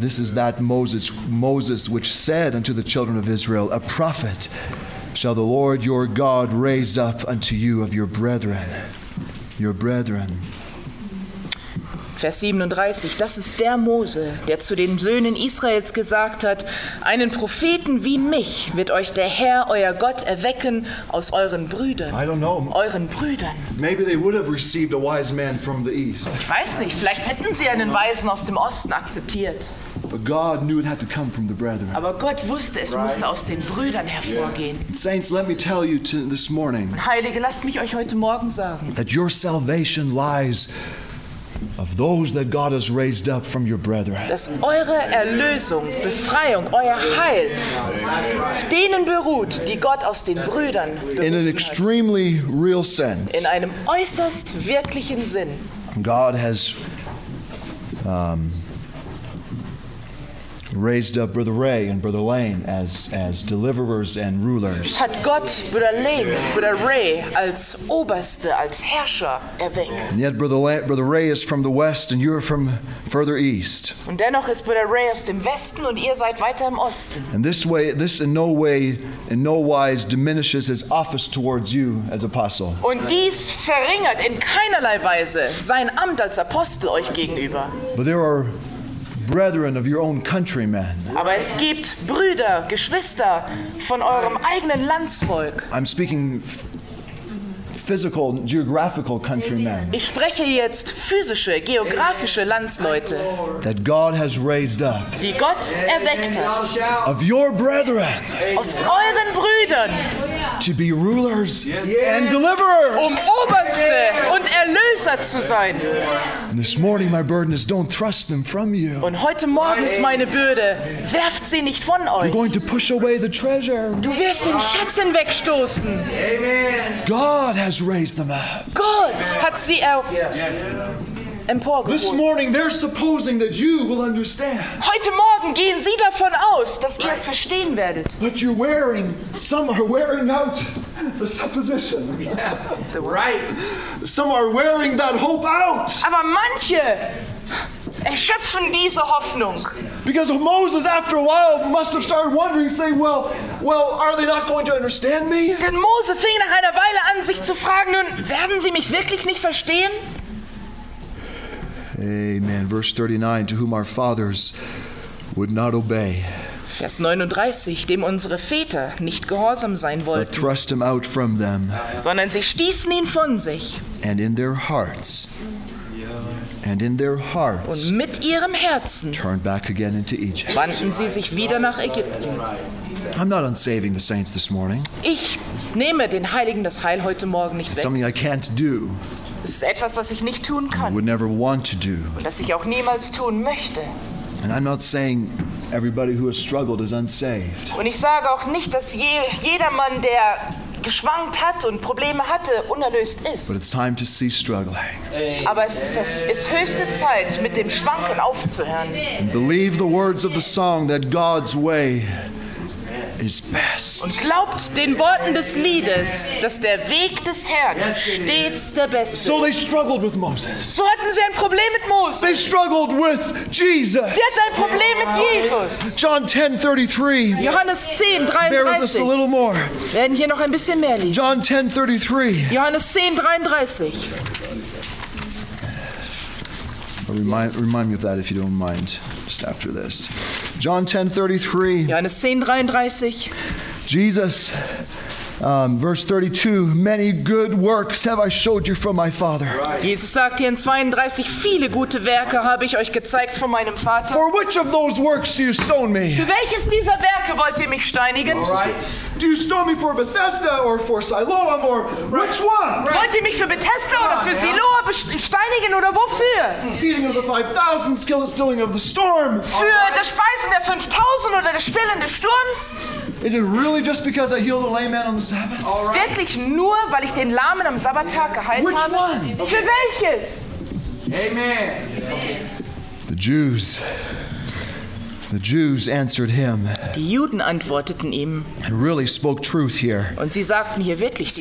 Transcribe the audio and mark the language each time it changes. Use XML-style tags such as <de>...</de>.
<en>This is that Moses which said unto the children of Israel, a prophet shall the Lord your God raise up unto you of your brethren. Your brethren.</en> <de>Vers 37, das ist der Mose, der zu den Söhnen Israels gesagt hat, einen Propheten wie mich wird euch der Herr, euer Gott, erwecken aus euren Brüdern.</de> <en>I don't know.</en> <de>Euren Brüdern.</de> <en>Maybe they would have received a wise man from the east.</en> <de>Ich weiß nicht, vielleicht hätten sie einen Weisen aus dem Osten akzeptiert.</de> <en>But God knew it had to come from the brethren.</en> <de>Aber Gott wusste, es musste aus den Brüdern hervorgehen.</de> <en>Yeah. Saints, let me tell you this morning,</en> <de>Heilige, lasst mich euch heute Morgen sagen,</de> <en>that your salvation lies of those that God has raised up from your brethren.</en> <de>Dass eure Erlösung, Befreiung, euer Heil auf denen beruht, die Gott aus den Brüdern berufen</de> <en>in an extremely real sense.</en> <de>In einem äußerst wirklichen Sinn.</de> <en>God has raised up Brother Ray and Brother Lane as deliverers and rulers.</en> <de>Hat Gott Brother Lane, Brother Ray als Oberste, als Herrscher erweckt.</de> <en>And yet Brother Ray is from the west and you are from further east.</en> <de>Und dennoch ist Brother Ray aus dem Westen und ihr seid weiter im Osten.</de> <en>And this in no way, in no wise diminishes his office towards you as apostle.</en> <de>Und dies verringert in keinerlei Weise sein Amt als Apostel euch gegenüber.</de> <en>But there are brethren of your own countrymen.</en> <de>Aber es gibt Brüder, Geschwister von eurem eigenen Landsvolk.</de> <en>I'm speaking physical, geographical countrymen.</en> <de>Ich spreche jetzt physische, geografische Landsleute.</de> <en>That God has raised up.</en> <de>Die Gott erweckt hat.</de> <en>Of your brethren.</en> <de>Aus euren Brüdern.</de> <en>To be rulers and deliverers.</en> <de>Um Oberste und Erlöser zu sein.</de> <en>And this morning my burden is don't thrust them from you.</en> <de>Und heute Morgen ist meine Bürde, werft sie nicht von euch.</de> <en>You're going to push away the treasure.</en> <de>Du wirst den Schatz hinwegstoßen.</de> <en>Amen. God has raised them up.</en> <de>Gott hat sie empor.</de> <en>This morning they're supposing that you will understand.</en> <de>Heute Morgen gehen sie davon aus, dass ihr es verstehen werdet.</de> <en>But you're wearing, some are wearing out the supposition. Yeah, right. Some are wearing that hope out.</en> <de>Aber manche erschöpfen diese Hoffnung.</de> <en>Because Moses after a while must have started wondering, saying, well, are they not going to understand me?</en> <de>Denn Mose fing nach einer Weile an, sich zu fragen, nun, werden sie mich wirklich nicht verstehen?</de> <en>Amen. Verse 39, to whom our fathers would not obey.</en> <de>Vers 39, dem unsere Väter nicht gehorsam sein wollten.</de> <en>But thrust him out from them.</en> <de>Sondern sie stießen ihn von sich.</de> <en>And in their hearts. And in their hearts.</en> <de>Und mit ihrem Herzen.</de> <en>Turned back again into Egypt.</en> <de>Wandten sie sich wieder nach Ägypten.</de> <en>I'm not on saving the saints this morning.</en> <de>Ich nehme den Heiligen das Heil heute Morgen nicht weg.</de> <en>Something I can't do.</en> <de>Das ist etwas, was ich nicht tun kann.</de> <en>Would never want to do.</en> <de>Und das ich auch niemals tun möchte.</de> <en>And I'm not saying everybody who has struggled is unsaved.</en> <de>Und ich sage auch nicht, dass jedermann, der geschwankt hat und Probleme hatte, unerlöst ist.</de> <en>But it's time to cease struggling.</en> <de>Aber es ist, höchste Zeit, mit dem Schwanken aufzuhören.</de> <en>And believe the words of the song that God's way is best.</en> <de>Und glaubt den Worten des Liedes, dass der Weg des Herrn stets der beste ist.</de> <en>So they struggled with Moses.</en> <de>So hatten sie ein Problem mit Moses.</de> <en>They struggled with Jesus.</en> <de>Sie hatten ein Problem mit Jesus.</de> <en>John 10:33.</en> <de>Johannes 10:33.</de> <en>Bear with us a little more.</en> <de>Werden hier noch ein bisschen mehr lesen.</de> <en>John 10:33.</en> <de>Johannes 10:33.</de> <en>Remind me of that if you don't mind, just after this. John 10:33.</en> <de>Johannes 10:33.</de> <en>Jesus, verse 32. Many good works have I showed you from my Father.</en> <de>Jesus sagt hier in 32, viele gute Werke habe ich euch gezeigt von meinem Vater.</de> <en>For which of those works do you stone me?</en> <de>Für welches dieser Werke wollt ihr mich steinigen?</de> <en>Do you stone me for Bethesda or for Siloam or which one?</en> <de>Wollt ihr mich für Bethesda oder für Siloam steinigen oder wofür?</de> <en>Feeding of the 5,000, stilling of the storm.</en> <de>Für das Speisen der 5,000 oder das Stillen des Sturms?</de> <en>Is it really just because I healed a lame man on the Sabbath?</en> <de>Ist es wirklich nur, weil ich den Lahmen am Sabbattag geheilt habe?</de> <en>Which one?</en> <de>Für welches?</de> <en>Amen. The Jews answered him.</en> <de>Die Juden antworteten ihm.</de> <en>And really spoke truth here.</en> <de>Und sie sagten hier wirklich die</de>